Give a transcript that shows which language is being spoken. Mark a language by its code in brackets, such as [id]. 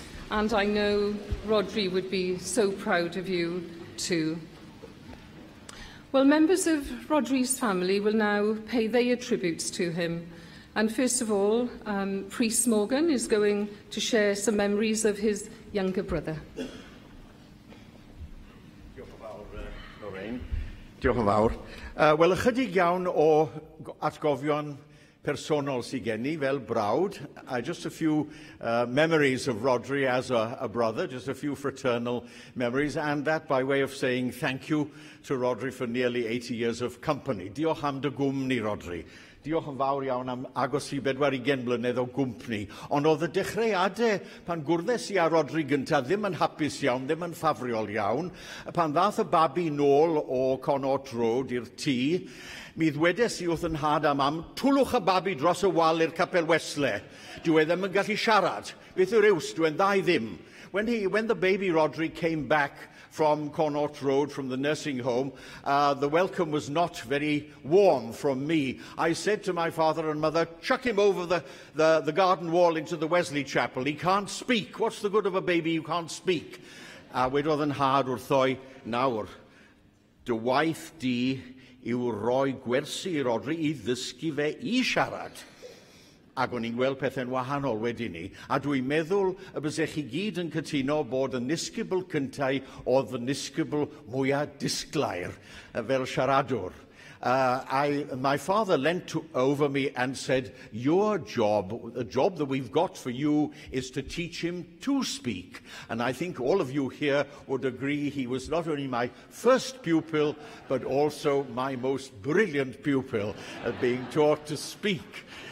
[en] And I know Rhodri would be so proud of you too. Well, members of Rhodri's family will now pay their tributes to him. And first of all, Brif Morgan is going to share some memories of his younger brother. [cy] Diolch yn fawr, Lorraine. Diolch yn fawr. Wel, ychydig iawn o atgofion personol sy gen i fel brawd. [en] Just a few memories of Rhodri as a brother, just a few fraternal memories, and that by way of saying thank you to Rhodri for nearly 80 years of company. [cy] Diolch am dy gwmni, Rhodri. Diolch yn fawr iawn am agos i 40 mlynedd o gwmpni. Ond oedd y dechreuadau pan gwrddes i â Rhodri gyntaf ddim yn hapus iawn, ddim yn ffafriol iawn. Pan ddath y babi nôl o Connaught Road i'r tŷ, mi ddwedes i wrth yn nhad a mam, twlwch y babi dros y wal i'r capel wesle. Dyw e ddim yn gallu siarad. Beth yw'r iws? Dyw e'n ddau ddim. [en] When the baby Rhodri came back from Connaught Road, from the nursing home, the welcome was not very warm from me. I said to my father and mother, chuck him over the garden wall into the Wesley Chapel. He can't speak. What's the good of a baby who can't speak? [cy] A wedodd yn nhad wrthoi, nawr, dy waith di yw rhoi gwersi i Rhodri i ddysgu fe i siarad. Ac o'n i'n gweld pethau'n wahanol wedyn ni. A dwi'n meddwl y byddech chi gyd yn cytuno bod y nisgybl cyntaf oedd y nisgybl mwyaf disglair fel siaradwr. [en] My father leant over me and said, your job, the job that we've got for you is to teach him to speak. And I think all of you here would agree he was not only my first pupil, but also my most brilliant pupil at being taught to speak.